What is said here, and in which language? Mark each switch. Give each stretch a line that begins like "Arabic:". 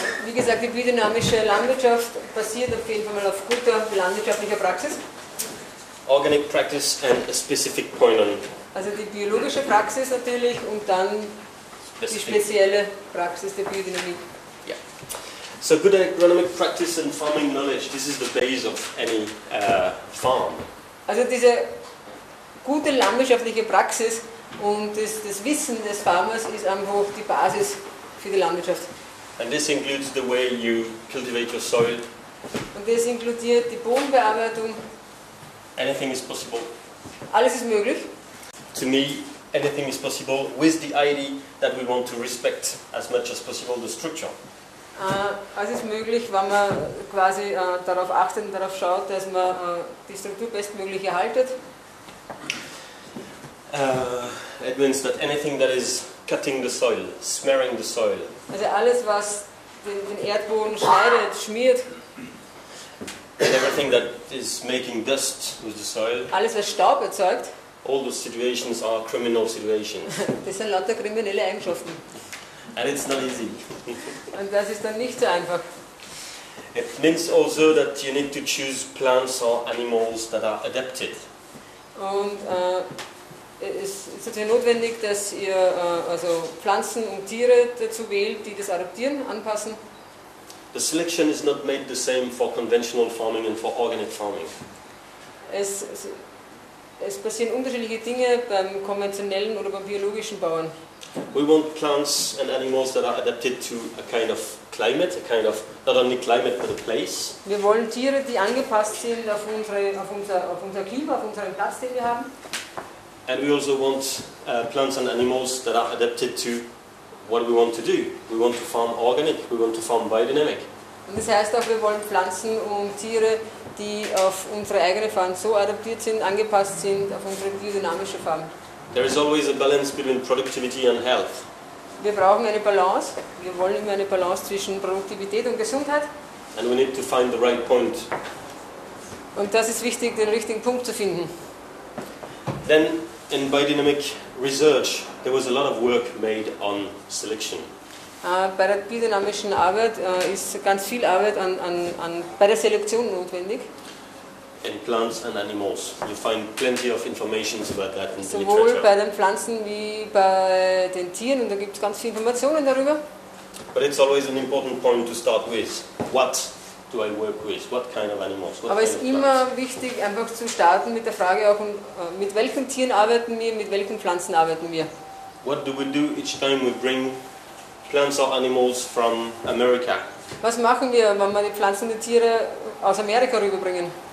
German: Wie gesagt, die biodynamische Landwirtschaft basiert auf jeden Fall auf guter landwirtschaftlicher Praxis.
English: Organic practice and a specific point on.
German: Also die biologische Praxis natürlich und dann die spezielle Praxis der Biodynamie.
English: Yeah. So good agronomic practice and farming knowledge, this is the base of any farm.
German: Also diese gute landwirtschaftliche Praxis und das Wissen des Farmers ist einfach die Basis für die Landwirtschaft.
English: And this includes the way you cultivate your soil.
German: Und das inkludiert die Bodenbearbeitung.
English: Anything is possible.
German: Alles ist möglich.
English: To me, anything is possible with the idea that we want to respect as much as possible the structure.
German: Alles ist möglich, wenn man quasi darauf achtet und darauf schaut, dass man die Struktur bestmöglich erhaltet.
English: It means that anything that is cutting the soil, smearing the soil.
German: Also alles, was den Erdboden schneidet, schmiert.
English: And everything that is making dust with the soil.
German: Alles, was Staub erzeugt.
English: All those situations are criminal situations.
German: Das sind lauter kriminelle Eigenschaften.
English: And it's not easy.
German: Und das ist dann nicht so einfach.
English: It means also that you need to choose plants or animals that are adapted.
German: Und es ist natürlich notwendig, dass ihr also Pflanzen und Tiere dazu wählt, die das adaptieren, anpassen.
English: The selection is not made the same for conventional farming and for organic farming.
German: Es passieren unterschiedliche Dinge beim konventionellen oder beim biologischen Bauern.
English: We want plants and animals that are adapted to a kind of climate, a kind of not only climate but a place.
German: Wir wollen Tiere, die angepasst sind auf unser Klima, auf unseren Platz, den wir haben.
English: And we also want plants and animals that are adapted to what we want to do. We want to farm organic, we want to farm biodynamic.
German: Und das heißt auch, wir wollen Pflanzen und Tiere, die auf unsere eigene Farm so adaptiert sind, angepasst sind, auf unsere biodynamische Farm.
English: There is always a balance between productivity and health.
German: Wir brauchen eine Balance. Wir wollen immer eine Balance zwischen Produktivität und Gesundheit.
English: And we need to find the right point.
German: Und das ist wichtig, den richtigen Punkt zu finden.
English: Then in biodynamic research there was a lot of work made on selection.
German: Bei der biodynamischen Arbeit ist ganz viel Arbeit an bei der Selektion notwendig.
English: In plants and animals, you find plenty of information about that in the literature.
German: Sowohl bei den Pflanzen wie bei den Tieren, und da gibt es ganz viele Informationen darüber.
English: But it's always an important point to start with. What do I work with? What kind of animals?
German: Aber es ist immer wichtig, einfach zu starten mit der Frage auch, mit welchen Tieren arbeiten wir, mit welchen Pflanzen arbeiten wir.
English: What do we do each time we bring plants or animals from America?
German: Was machen wir, wenn wir die Pflanzen und die Tiere aus Amerika rüberbringen?